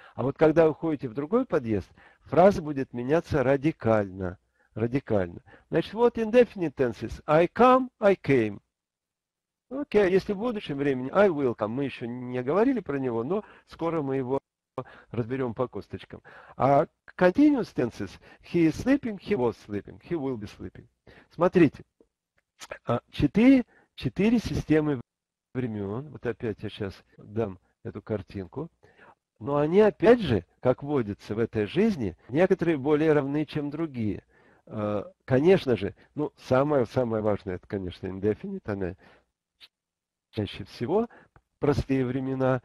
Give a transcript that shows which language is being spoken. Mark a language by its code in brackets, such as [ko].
[ru] А вот когда вы ходите в другой подъезд, фраза будет меняться радикально. Радикально. Значит, вот indefinite tenses. [en] I come, I came. Окей, okay. [ru] Если в будущем времени, [en] I will come. [ru] Мы еще не говорили про него, но скоро мы его разберем по косточкам. [en] А continuous tenses, he is sleeping, he was sleeping, he will be sleeping. [ru] Смотрите, четыре системы времен, вот опять я сейчас дам эту картинку, но они опять же, как водится в этой жизни, некоторые более равны, чем другие. Конечно же, ну, самое важное, это, конечно, indefinite, она чаще всего простые времена.